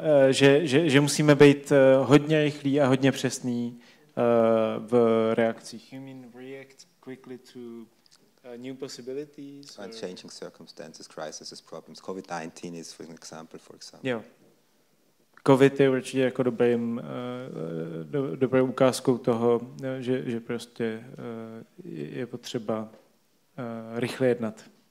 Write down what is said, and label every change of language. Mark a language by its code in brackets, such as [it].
[cs] že musíme být hodně rychlí a hodně přesný v reakcích. [en] You mean react quickly to new possibilities? And changing circumstances, crises, problems. COVID-19 is an example, for example. [cs] Jo. COVID je určitě jako dobrým, dobrou ukázkou toho, že prostě je potřeba rychle jednat.